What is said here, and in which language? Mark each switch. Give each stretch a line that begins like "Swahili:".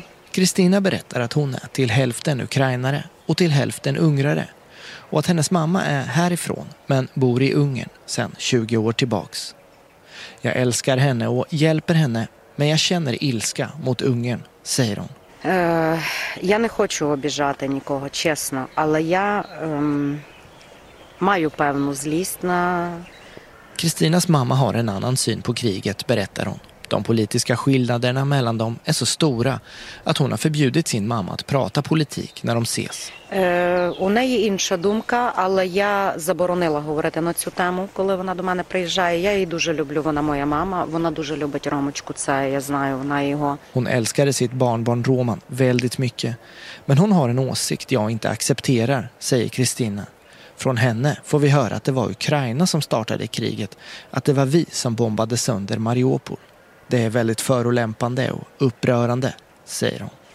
Swedish: Kristina berättar att hon är till hälften ukrainare och till hälften ungrare. Och att hennes mamma är härifrån men bor i Ungern sedan 20 år tillbaks. Jag älskar henne och hjälper henne, men jag känner ilska mot Ungern, säger hon.
Ukrainian: Я не хочу обіжати нікого, чесно, але я маю певну злість на.
Swedish: Кристинас мамма har en annan syn på kriget, berättar hon. De politiska skillnaderna mellan dem är så stora att hon har förbjudit sin mamma att prata politik när de ses.
Ukrainian: У неї інша думка, але я заборонила говорити на цю тему, коли вона до мене приїжджає. Я її дуже люблю, вона моя мама. Вона дуже любить Ромочку, це я знаю, вона його.
Swedish: Hon älskade sitt barnbarn Roman väldigt mycket. Men hon har en åsikt jag inte accepterar, säger Kristina. Från henne får vi höra att det var Ukraina som startade kriget, att det var vi som bombade sönder Mariupol. Det är väldigt förolämpande och upprörande, säger hon.